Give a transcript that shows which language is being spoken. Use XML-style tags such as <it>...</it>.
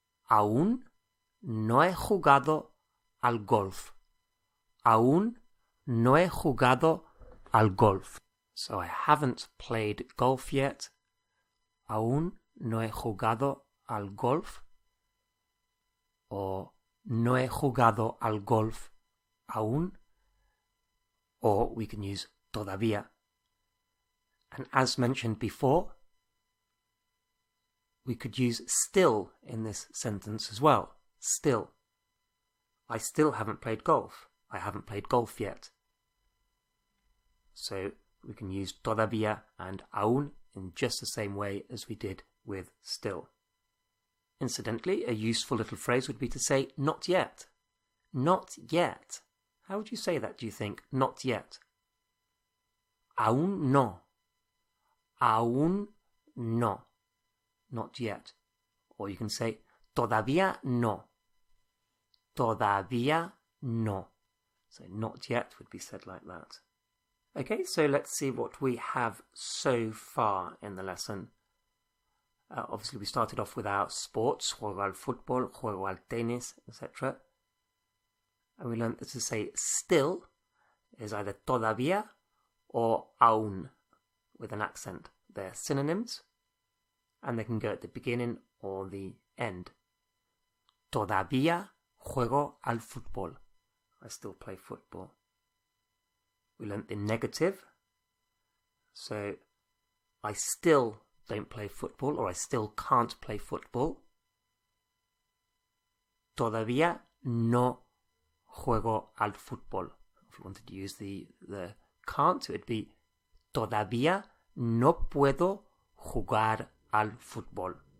<es>Aún no he jugado al golf. Aún no he jugado al golf.</es> <en>So I haven't played golf yet.</en> <es>Aún no he jugado al golf. O no he jugado al golf aún.</es> <en>Or we can use todavía. And as mentioned before, we could use still in this sentence as well. Still. I still haven't played golf. I haven't played golf yet. So we can use todavía and aún in just the same way as we did with still. Incidentally, a useful little phrase would be to say not yet. Not yet. How would you say that, do you think? Not yet.</en> <es>Aún no. Aún no.</es> <en>Not yet. Or you can say todavía no.</en> <es>Todavía no.</es> <en>So not yet would be said like that. Okay, so let's see what we have so far in the lesson. Obviously, we started off with our sports,</en> <es>juego al fútbol, juego al tenis,</es> <en>etc. And we learned that to say still is either todavía or aún, with an accent. They're synonyms, and they can go at the beginning or the end.</en> <es>Todavía juego al fútbol.</es> <en>I still play football. We learnt the negative. So, I still don't play football, or I still can't play football.</en> <es>Todavía no juego al fútbol.</es> <en>If we wanted to use the can't, it would be</en> <es>todavía no puedo jugar al fútbol.</es>